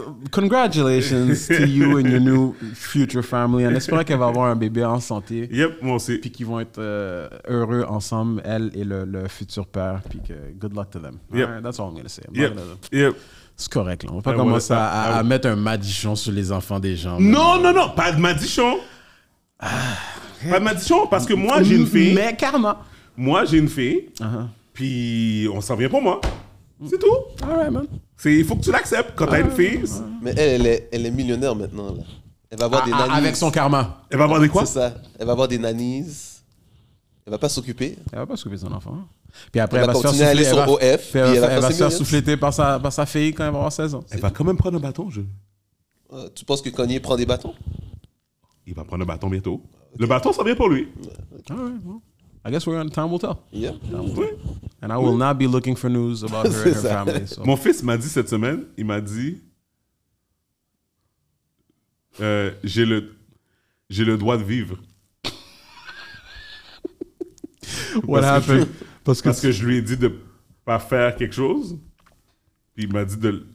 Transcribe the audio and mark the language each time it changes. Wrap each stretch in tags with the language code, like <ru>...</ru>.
<en>Congratulations to you and your new future family.</en> <fr>On espère qu'elle va avoir un bébé en santé.</fr> <en>Yep,</en> <fr>moi aussi. Puis qu'ils vont être heureux ensemble, elle et le futur père. Puis que</fr> <en>good luck to them. Yep. All right, that's all I'm going to say. Yep.</en> <fr>C'est correct. Là. On va pas commencer à mettre un madichon sur les enfants des gens. Non, pas de madichon. Ah... Pas de maldition, parce que moi, j'ai une fille. Mais karma. Moi, j'ai une fille. Puis, on s'en vient pour moi. C'est tout.</fr> <en>All right, man.</en> <fr>Il faut que tu l'acceptes quand t'as une fille. Mais elle est millionnaire maintenant. Là. Elle va avoir des nannies. Avec son karma. Elle va avoir des quoi? C'est ça. Elle va avoir des nannies. Elle va pas s'occuper. Elle va pas s'occuper de son enfant. Puis après, elle va se faire souffléter par sa fille quand elle va avoir 16 ans. Elle va quand même prendre un bâton, je... Tu penses que Kanye prend des bâtons? Il va prendre un bâton bientôt. Okay. Le bâton, ça vient pour lui.</fr> <en>Okay. All right. Well, I guess we're on time will tell. Yeah. And I will not be looking for news about her and her family. So.</en> <fr>Mon fils m'a dit cette semaine, il m'a dit, j'ai le droit de vivre.</fr> <en>What</en> <fr>parce</fr> <en>happened?</en> <fr>Que je, parce que je lui ai dit de pas faire quelque chose, puis il m'a dit de.</fr>